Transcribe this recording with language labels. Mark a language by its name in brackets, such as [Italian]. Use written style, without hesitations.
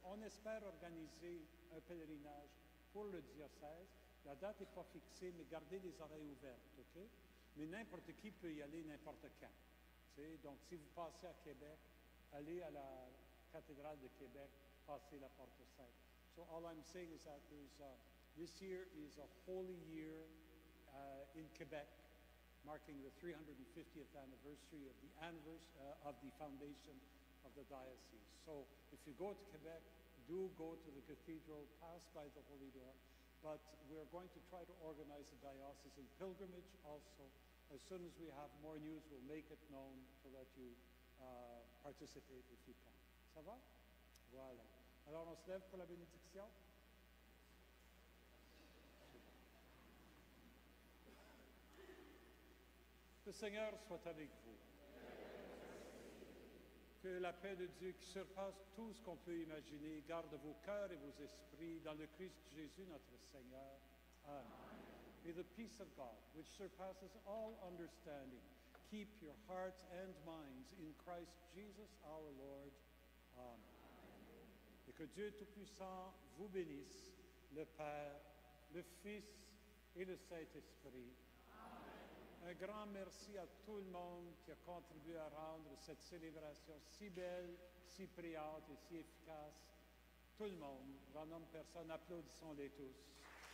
[French] On espère organiser un pèlerinage pour le diocèse. La date n'est pas fixée, mais gardez les oreilles ouvertes, OK? Mais n'importe qui peut y aller n'importe quand. T'sais? Donc, si vous passez à Québec, aller à la cathédrale de Québec, passer la Porte Sainte. [English] So all I'm saying is that this year is a holy year in Quebec, marking the 350th anniversary of the foundation of the diocese. So if you go to Quebec, do go to the cathedral, pass by the Holy Door, but we're going to try to organize a diocesan pilgrimage also. As soon as we have more news, we'll make it known to let you participer if you can. [French] Ça va? Voilà. Alors, on se lève pour la bénédiction. Le Seigneur soit avec vous. Que la paix de Dieu qui surpasse tout ce qu'on peut imaginer garde vos cœurs et vos esprits dans le Christ Jésus, notre Seigneur. Amen. [English] May the peace of God, which surpasses all understanding, keep your hearts and minds in Christ Jesus our Lord. Amen. [French] Et que Dieu Tout-Puissant vous bénisse, le Père, le Fils et le Saint-Esprit. Amen. Un grand merci à tout le monde qui a contribué à rendre cette célébration si belle, si priante et si efficace. Tout le monde, grand nombre de personnes, applaudissons-les tous. Amen.